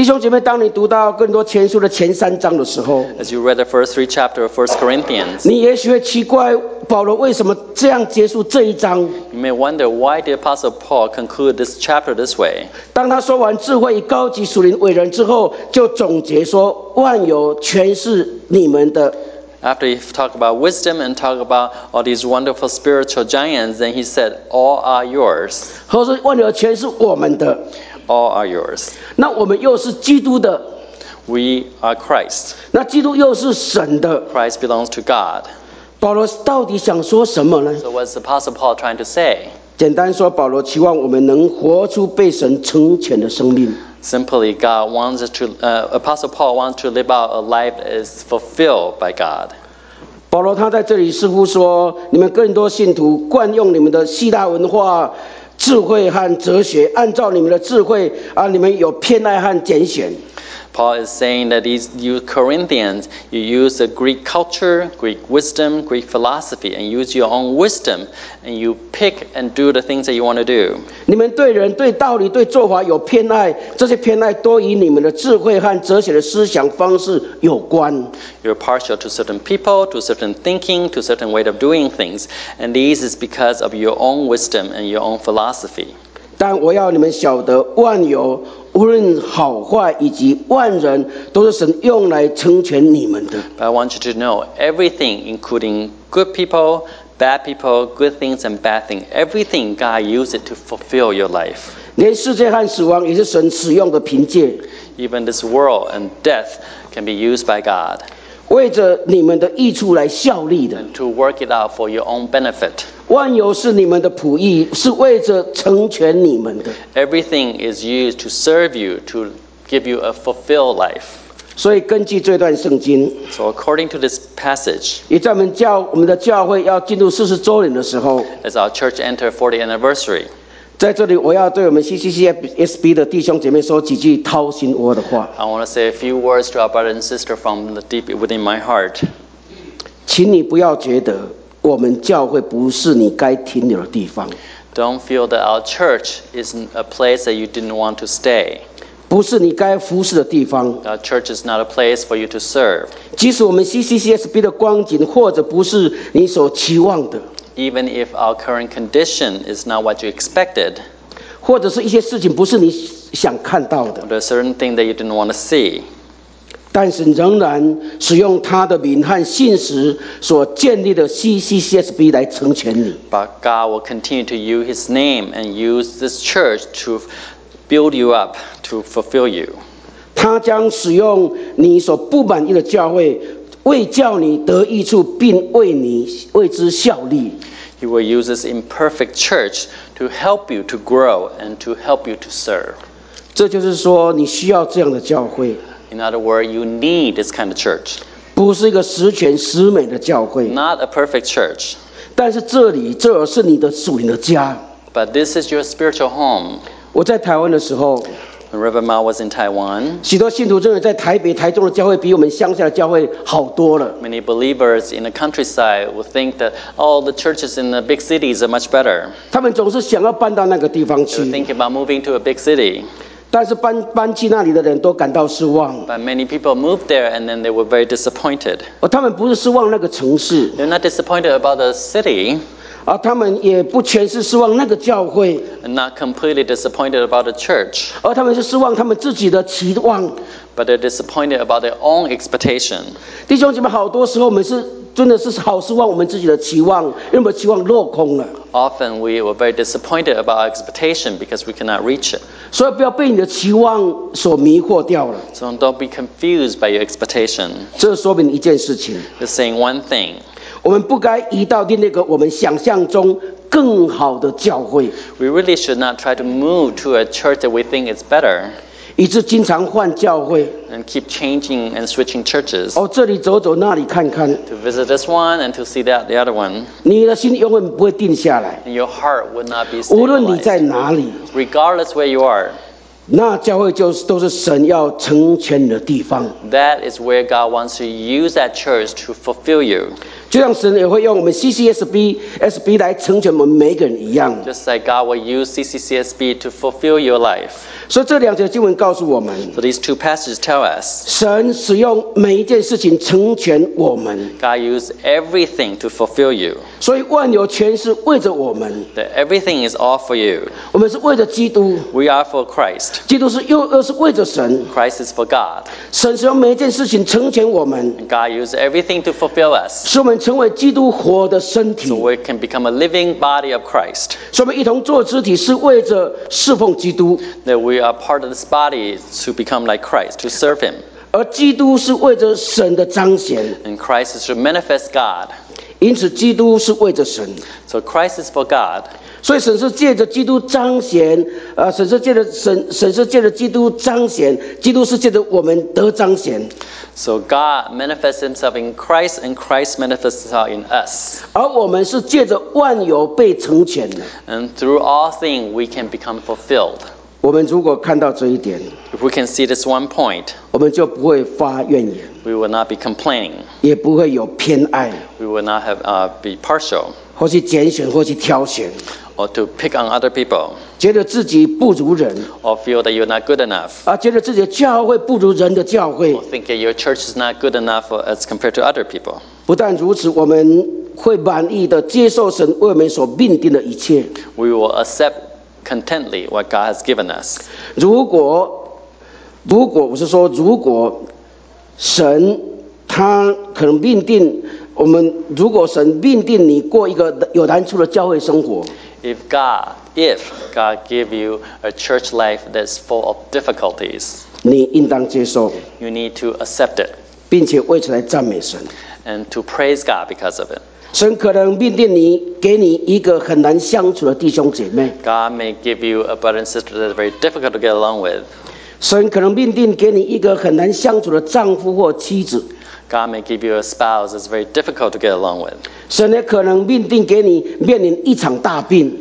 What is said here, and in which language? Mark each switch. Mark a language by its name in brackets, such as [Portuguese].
[Chinese] 弟兄姐妹，当你读到更多前书的前三章的时候 [English] ，As you read the first three chapters of First Corinthians, [Chinese] 你也许会奇怪保罗为什么这样结束这一章。 [English] You may wonder why the Apostle Paul concluded this chapter this way. [Chinese] 当他说完智慧与高级属灵伟人之后，就总总结说万有全是你们的。 [English] After he talked about wisdom and talked about all these wonderful spiritual giants, then he said, "All are yours." [Chinese] 他说万有全是我们的。 [English] All are yours. [Chinese] 那我们又是基督的。 [English] We are Christ. [Chinese] 那基督又是神的。 [English] Christ belongs to God. [Chinese] 保罗到底想说什么呢 [English] ？So what's the Apostle Paul trying to say? [Chinese] 简单说，保罗期望我们能活出被神成全的生命。 [English] Simply, God wants us to. Apostle Paul wants to live out a life that is fulfilled by God. [Chinese] 保罗他在这里似乎说，你们更多信徒惯用你们的希腊文化、智慧和哲学，按照你们的智慧啊，你们有偏爱和拣选。 [English] Paul is saying that these you Corinthians, you use the Greek culture, Greek wisdom, Greek philosophy, and use your own wisdom, and you pick and do the things that you want to do. [Chinese] 你们对人、对道理、对做法有偏爱，这些偏爱多与你们的智慧和哲学的思想方式有关。 [English] You're partial to certain people, to certain thinking, to certain way of doing things, and these is because of your own wisdom and your own philosophy. [Chinese] 但我要你们晓得，万有无论好坏以及万人，都是神用来成全你们的。 [English] But I want you to know everything, including good people, bad people, good things and bad things. Everything God uses to fulfill your life. [Chinese] 连世界和死亡也是神使用的凭借。 [English] Even this world and death can be used by God. [Chinese] 为着你们的益处来效力的。 [English] To work it out for your own benefit. [Chinese] 万有是你们的仆役，是为着成全你们的。 [English] Everything is used to serve you, to give you a fulfilled life. [Chinese] 所以根据这段圣经 [English] ，So according to this passage, [Chinese] 也在我们的教会要进入40周年的时候 [English] ，As our church enter 40th anniversary, [Chinese] 在这里我要对我们 CCCSB 的弟兄姐妹说几句掏心窝的话。 [English] I want to say a few words to our brother and sister from the deep within my heart. [Chinese] 请你不要觉得。我们教会不是你该停留的地方。 [English] Don't feel that our church is a place that you didn't want to stay. [Chinese] 不是你该服侍的地方。 [English] Our church is not a place for you to serve. [Chinese] 即使我们 CCCSB 的光景或者不是你所期望的。 [English] Even if our current condition is not what you expected. [Chinese] 或者是一些事情不是你想看到的。 [English] Or a certain thing that you didn't want to see. [Chinese] 但是仍然使用他的名和信实所建立的 CCCSB 来成全你。 [English] But God will continue to use His name and use this church to build you up, to fulfill you. [Chinese] 他将使用你所不满意的教会，为叫你得益处，并为你为之效力。 [English] He will use this imperfect church to help you to grow and to help you to serve. [Chinese] 这就是说，你需要这样的教会。 [English] In other words, you need this kind of church. [Chinese] 不是一个十全十美的教会。 [English] Not a perfect church. [Chinese] 但是这里，这是你的属灵的家。 [English] But this is your spiritual home. [Chinese] 我在台湾的时候 [English] ，When Reverend Mao was in Taiwan, [Chinese] 许多信徒认为在台北、台中的教会比我们乡下的教会好多了。 [English] Many believers in the countryside will think that all the churches in the big cities are much better. [Chinese] 他们总是想要搬到那个地方去。 [English] They're thinking about moving to a big city. [Chinese] 但是搬去那里的人都感到失望。 [English] But many people moved there and then they were very disappointed. [Chinese] 他们不是失望那个城市。 [English] They're not disappointed about the city. [Chinese] 他们也不全是失望那个教会。 [English] And not completely disappointed about the church. [Chinese] 他们是失望他们自己的期望。 [English] But they're disappointed about their own expectation. [Chinese] 弟兄姐妹，好多时候我们是真的是好失望我们自己的期望，因为我们期望落空了。 [English] Often we were very disappointed about our expectation because we cannot reach it. [Chinese] 所以不要被你的期望所迷惑掉了。 [English] So don't be confused by your expectation. [Chinese] 这说明一件事情。 [English] It's saying one thing. [Chinese] 我们不该移到那个我们想象中更好的教会。 [English] We really should not try to move to a church that we think is better. [Chinese] 以致经常换教会 [English] ，and keep changing and switching churches. [Chinese] 这里走走，那里看看 [English] ，to visit this one and to see that the other one. [Chinese] 你的心永远不会定下来 [English] ，and your heart would not be stable. [Chinese] 无论你在哪里 [English] ，regardless where you are, [Chinese] 那教会就是都是神要成全的地方。 [English] That is where God wants to use that church to fulfill you. [Chinese] 就像神也会用我们 CCSB 来成全我们每个人一样。 [English] Just like God will use CCCSB to fulfill your life. [Chinese] 所以这两节经文告诉我们。 [English] So these two passages tell us. [Chinese] 神使用每一件事情成全我们。 [English] God uses everything to fulfill you. [Chinese] 所以万有全是为着我们。 [English] That everything is all for you. [Chinese] 我们是为着基督。 [English] We are for Christ. [Chinese] 基督是又是为着神。 [English] Christ is for God. [Chinese] 神使用每一件事情成全我们。 [English] God uses everything to fulfill us. [Chinese] 使我们成为基督活的身体 [English] so we can become a living body of Christ. [Chinese] 所以我们一同做肢体是为着侍奉基督 [English] that we are part of this body to become like Christ, to serve him. [Chinese] 而基督是为着神的彰显 [English] and Christ is to manifest God. [Chinese] 因此基督是为着神 [English] so Christ is for God. [Chinese] 所以神是借着基督彰显 神是借着基督彰显基督是借着我们得彰显 [English] So God manifests himself in Christ and Christ manifests himself in us. [Chinese] 而我们是借着万有被成全的。 [English] And through all things we can become fulfilled. [Chinese] 我们如果看到这一点 [English] If we can see this one point, [Chinese] 我们就不会发怨言。 [English] We will not be complaining. [Chinese] 也不会有偏爱。 [English] We will not have, be partial. [Chinese] 或是拣选或是挑选。 [English] Or to pick on other people. [Chinese] 觉得自己不如人 [English] or feel that you're not good enough. [Chinese] 觉得自己的教会不如人的教会 [English] or think that your church is not good enough as compared to other people. [Chinese] 不但如此，我们会满意的接受神为我们所命定的一切。 [English] We will accept contently what God has given us. [Chinese] 如果我是说，如果神他可能命定我们，如果神命定你过一个有难处的教会生活。 [English] If God give you a church life that's full of difficulties, [Chinese] 你应当接受。 [English] You need to accept it, [Chinese] 并且为此来赞美神。 [English] And to praise God because of it. [Chinese] 神可能命定你，给你一个很难相处的弟兄姐妹。 [English] God may give you a brother and sister that's very difficult to get along with. [Chinese] 神可能命定给你一个很难相处的丈夫或妻子。 [English] God may give you a spouse that's very difficult to get along with. [Chinese] 神也可能命定给你面临一场大病。